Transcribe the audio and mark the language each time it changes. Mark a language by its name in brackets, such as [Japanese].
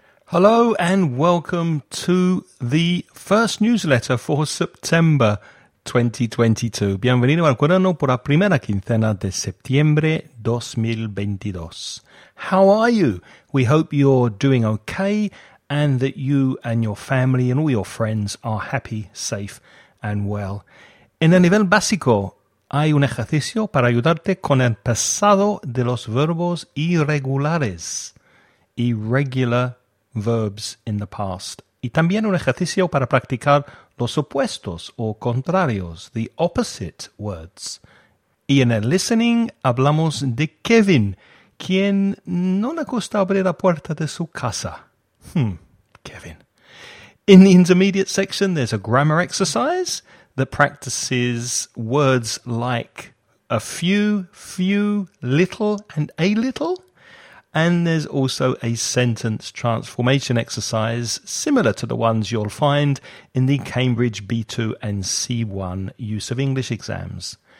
[English] Hello and welcome to the first newsletter for September 2022. [Spanish] Bienvenido al cuaderno por la primera quincena de septiembre 2022. [English] How are you? We hope you're doing okay and that you and your family and all your friends are happy, safe and well. [Spanish] En el nivel básico, hay un ejercicio para ayudarte con el pasado de los verbos irregulares. [English] Irregular verbs in the past. [Spanish] Y también un ejercicio para practicar los opuestos o contrarios, [English] the opposite words. [Spanish] Y en el listening hablamos de Kevin, quien no le gusta abrir la puerta de su casa. Kevin. [English] In the intermediate section, there's a grammar exercise that practices words like a few, little, and a little. And there's also a sentence transformation exercise similar to the ones you'll find in the Cambridge B2 and C1 use of English exams.